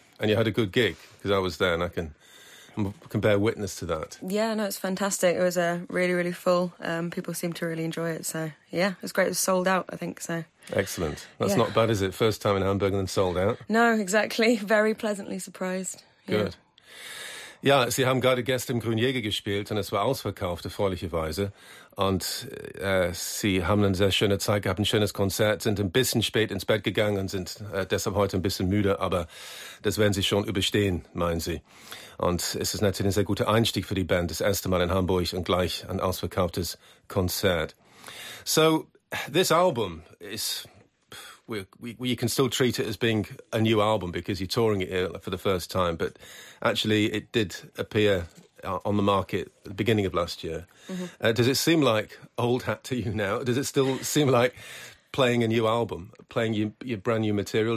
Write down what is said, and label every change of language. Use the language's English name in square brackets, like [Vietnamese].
[English] And you had a good gig, because I was there and I can bear witness to that. Yeah, no, it's fantastic. It was really, really full. People seemed to really enjoy it, so yeah, it was great. It was sold out, I think, so. Excellent. That's not bad, is it? First time in Hamburg and then sold out? No, exactly. Very pleasantly surprised. Good. Yeah. [German] Sie haben gerade gestern im Grünjäger gespielt und es war ausverkauft, erfreulicherweise. Und Sie haben eine sehr schöne Zeit gehabt, ein schönes Konzert, sind ein bisschen spät ins Bett gegangen und sind deshalb heute ein bisschen müde, aber das werden Sie schon überstehen, meinen Sie. Und es ist natürlich ein sehr guter Einstieg für die Band, das erste Mal in Hamburg und gleich ein ausverkauftes Konzert. [English] So, this album is, we can still treat it as being a new album because you're touring it here for the first time, but actually it did appear on the market at the beginning of last year. Mm-hmm. Does it seem like old hat to you now? Does it still seem like playing a new album, playing your brand new material?